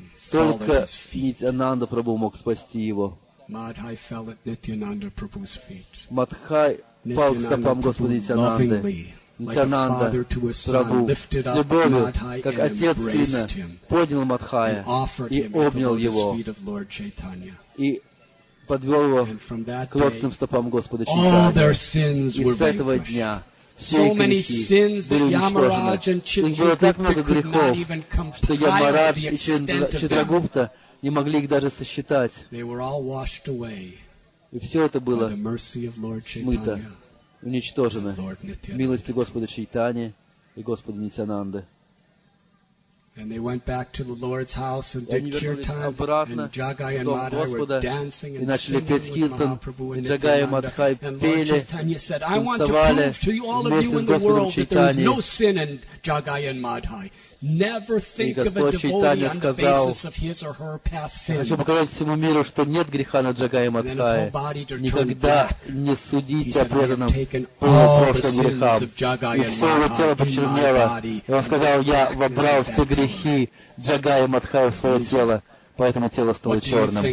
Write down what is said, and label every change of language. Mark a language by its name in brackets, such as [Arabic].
[Russian] Только Нитьянанда Прабху мог спасти его. Мадхай пал к стопам Господа Нитьянанды. Нитьянанда Прабху с любовью, как отец сына, поднял Мадхая и обнял его. И подвел его к лотосным стопам Господа Чайтанья. И с этого дня [English] so many sins that Yamaraj and Chitragupta could not even compile the extent of them. [Russian] Не могли их даже сосчитать. [English] They were all washed away. [Russian] И все это было смыто, уничтожено милостью Господа Чайтаньи и Господа Нитьянанды. [English] And they went back to the Lord's house and did kirtan. And Jagai and Madhai were dancing and singing with Mahaprabhu and Nityananda. And Lord Chaitanya said, I want to prove to you, all of you in the world, that there is no sin in Jagai and Madhai. Never think of a devotee on the basis of his or her past sin. [Russian] Хочу показать всему миру, что нет греха на Джагае Мадхае. Никогда не судите о преданном по прошлым грехам. И все его тело почернело. И он сказал, я вобрал все грехи Джагае Мадхае в свое тело, поэтому тело стало черным.